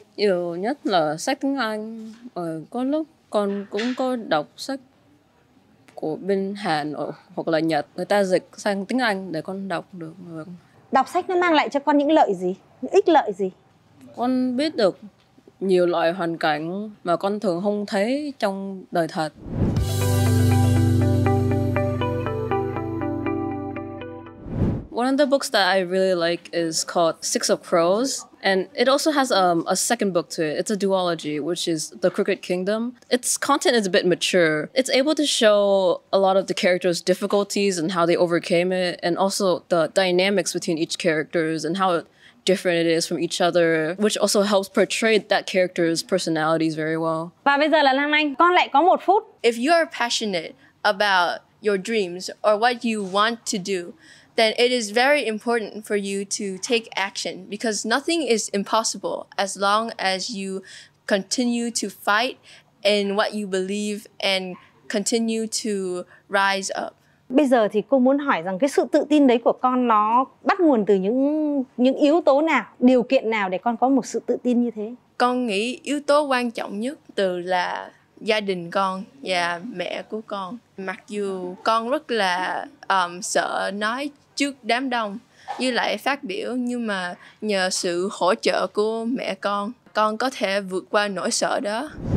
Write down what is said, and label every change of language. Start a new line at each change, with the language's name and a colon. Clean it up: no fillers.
Vietnamese: Nhiều nhất là sách tiếng Anh. Có lúc con cũng có đọc sách của bên Hàn hoặc là Nhật, người ta dịch sang tiếng Anh để con đọc được. Đọc sách nó mang lại cho con những lợi gì? Những ích lợi gì? Con biết được nhiều loại hoàn cảnh mà con thường không thấy trong đời thật.
English: One of the books that I really like is called Six of Crows, and it also has a second book to it. It's a duology, which is The Crooked Kingdom. Its content is a bit mature. It's able to show a lot of the characters' difficulties and how they overcame it, and also the dynamics between each characters and how different it is from each other, which also helps portray that character's personalities very well.
Vietnamese: Và bây giờ là Lan Anh, con lại có một phút.
English: If you are passionate about your dreams or what you want to do, then it is very important for you to take action, because nothing is impossible as long as you continue to fight in what you believe and continue to rise up.
Vietnamese: Bây giờ thì cô muốn hỏi rằng cái sự tự tin đấy của con nó bắt nguồn từ những yếu tố nào, điều kiện nào để con có một sự tự tin như thế? Con nghĩ yếu tố quan trọng nhất từ là gia đình con và mẹ của con. Mặc dù con rất là sợ nói trước đám đông như lại phát biểu, nhưng mà nhờ sự hỗ trợ của mẹ con có thể vượt qua nỗi sợ đó.